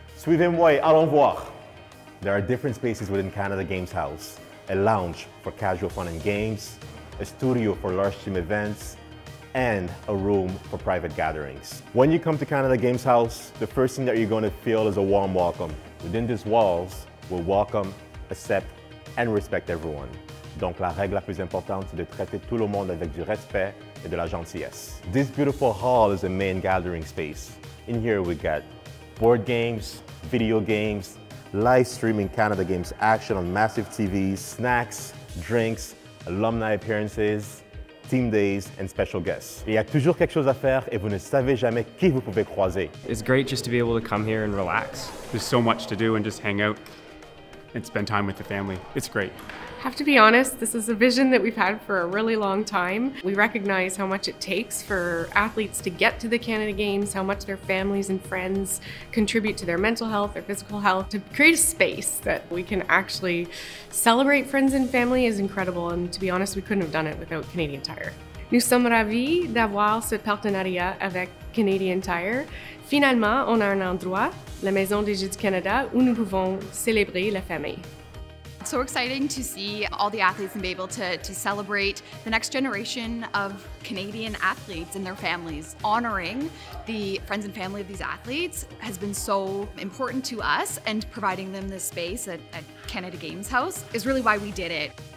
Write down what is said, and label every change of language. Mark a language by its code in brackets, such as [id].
[fr] Suivez-moi, allons voir. [en] There are different spaces within Canada Games House: a lounge for casual fun and games, a studio for large team events, and a room for private gatherings. When you come to Canada Games House, the first thing that you're going to feel is a warm welcome. Within these walls, we'll welcome, accept, and respect everyone. [fr] Donc la règle la plus importante, c'est de traiter tout le monde avec du respect et de la gentillesse. [en] This beautiful hall is a main gathering space. In here, we got board games, video games, live streaming Canada Games action on massive TVs, snacks, drinks, alumni appearances, team days, and special guests. [fr] Il y a toujours quelque chose à faire et vous ne savez jamais qui vous pouvez croiser. [en] It's great just to be able to come here and relax. There's so much to do and just hang out and spend time with the family. It's great. I have to be honest, this is a vision that we've had for a really long time. We recognize how much it takes for athletes to get to the Canada Games, how much their families and friends contribute to their mental health, their physical health. To create a space that we can actually celebrate friends and family is incredible, and to be honest, we couldn't have done it without Canadian Tire. [fr] Nous sommes ravis d'avoir ce partenariat avec Canadian Tire. Finalement, on a un endroit, la Maison des Jeux du Canada, où nous pouvons célébrer la famille. [en] So exciting to see all the athletes and be able to celebrate the next generation of Canadian athletes and their families. Honoring the friends and family of these athletes has been so important to us, and providing them this space at Canada Games House is really why we did it.